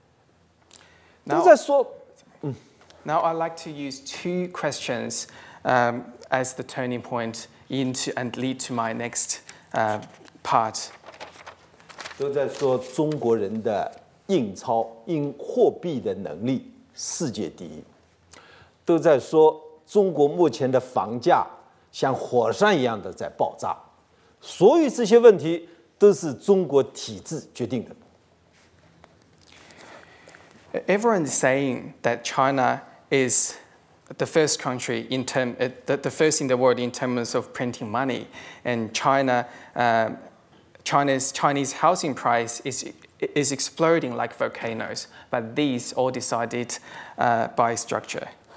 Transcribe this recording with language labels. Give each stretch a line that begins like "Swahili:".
Chinese: 现在我想用两个问题作为转折，转到下一个话题。都在说，嗯。
English: Now I'd like to use two questions as the turning point into and lead to my next part.
Chinese: 都在说中国人的。印钞、印货币的能力，世界第一。都在说中国目前的房价像火山一样的在爆炸，所有这些问题都是中国体制决定的。
English: Everyone is saying that China is the first country in term, the first in the world in terms of printing money, and China's housing price is exploding like volcanoes, but these all decided by structure.